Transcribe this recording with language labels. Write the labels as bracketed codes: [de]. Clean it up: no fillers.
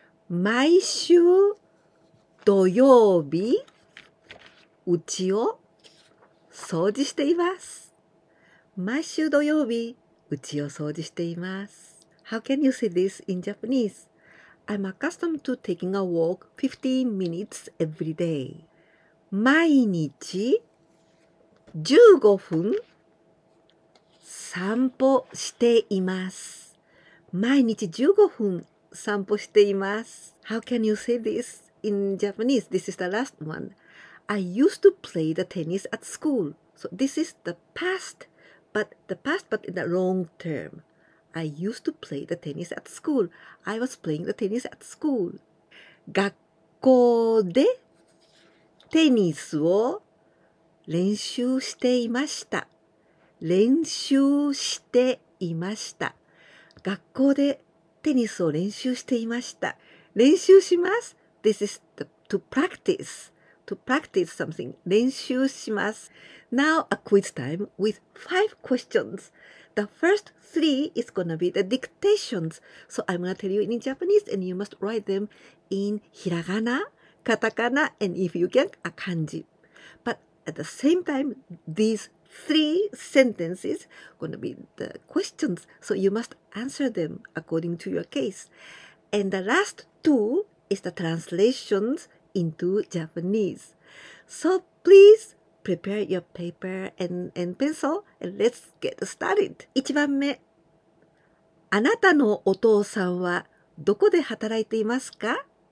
[ja] 毎週土曜日、うちを掃除しています。毎週土曜日、うちを掃除しています。 [en] How can you say this in Japanese? I'm accustomed to taking a walk 15 minutes every day. [ja] 毎日15分散歩しています。毎日15分散歩しています。 [en] How can you say this in Japanese? This is the last one. I used to play the tennis at school. So this is the past, but in the long term. I used to play the tennis at school. I was playing the tennis at school. [ja] 学校でテニスを練習していました。練習していました。学校でテニスを練習していました。練習します。 [en] This is to practice something. [ja] 練習します。 [en] Now a quiz time with 5 questions. The first 3 is gonna be the dictations. So I'm gonna tell you in Japanese and you must write them in hiragana, katakana, and if you can, a kanji. But at the same time, these 3 sentences are going to be the questions. So you must answer them according to your case. And the last 2 is the translations into Japanese. So please prepare your paper and pencil and let's get started. [ja] 1番目。あなたのお父さんはどこで働いていますか？